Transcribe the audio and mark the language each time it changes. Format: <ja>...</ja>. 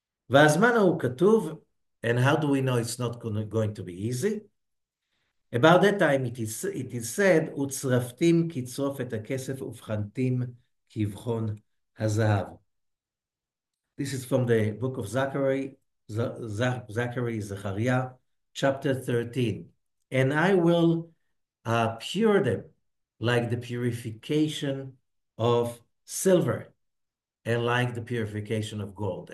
<he>והזמן ההוא כתוב,</he> <en>and how do we know it's not going to be easy? About that time it is said,</en> <he>וצרפתים כצרוף את הכסף ובחנתים כבחון הזהב.</he> <en>This is from the book of Zachary, Zachary, Zachariah, chapter 13. And I will pure them like the purification of silver and like the purification of gold.</en>